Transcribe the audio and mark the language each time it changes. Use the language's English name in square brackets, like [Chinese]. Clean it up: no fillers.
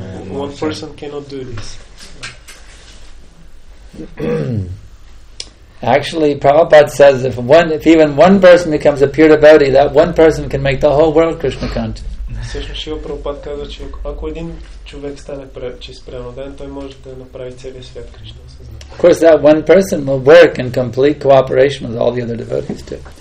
[English] One person cannot do this. Actually, Prabhupada says if even one person becomes a pure devotee, that one person can make the whole world Krishna conscious. [Bulgarian] Всъщност Шрила Прабхупад казва, че ако един човек стане чист преноден, той може да направи целия свят Кришна съзнателен. [English] Of course, that one person will work in complete cooperation with all the other devotees too.